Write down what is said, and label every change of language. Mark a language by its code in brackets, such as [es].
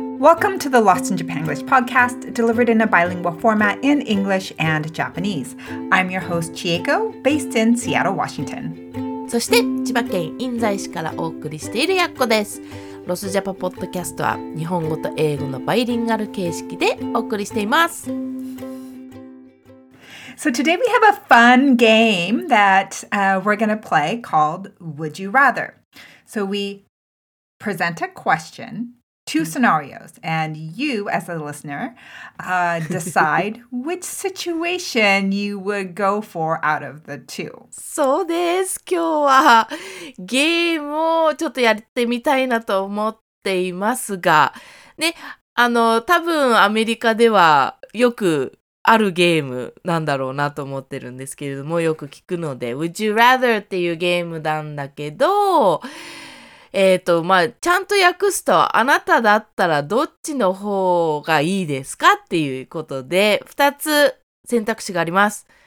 [en] Welcome to the Lost in Japan English podcast, delivered in a bilingual format in English and Japanese. I'm your host, Chieko, based in Seattle, Washington. [ja] そして、千葉県印西市からお送りしているやっこです。ロスジャパポッドキャストは日本語と英語のバイリンガル形式でお送りしています。 [en] So today we have a fun game that we're going to play called Would You Rather? So we present a question, two scenarios, and you as a listener decide which situation you would go for out of the two. [ja] そうです。今日はゲームをちょっとやってみたいなと思っていますが、ね、多分アメリカではよくあるゲームなんだろうなと思ってるんですけれども、よく聞くので、Would you rather っていうゲームなんだけど、まあ、ちゃんと訳すと、あなただったらどっちの方がいいですかっていうことで、二つ選択肢があります。